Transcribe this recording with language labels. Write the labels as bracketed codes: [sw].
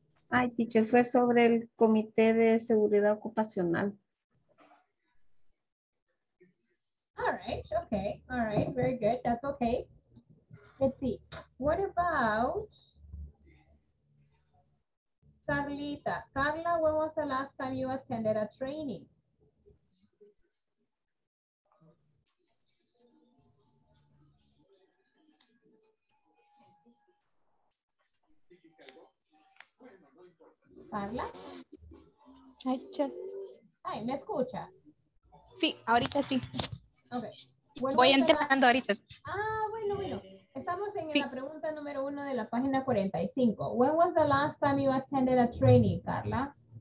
[es] Ay, teacher, fue sobre el Comité de Seguridad Ocupacional. [en] All right, okay, all right, very good, that's okay. Let's see, what about Carlita? Carla, when was the last time you attended a training? Carla? Hi, teacher. [es] Hi, ¿me escucha? Sí, ahorita sí. [en] Okay. [es] Voy entrando ahorita. Ah, bueno. Estamos en la pregunta número uno de la página 45. [en] When was the last time you attended a training, Carla?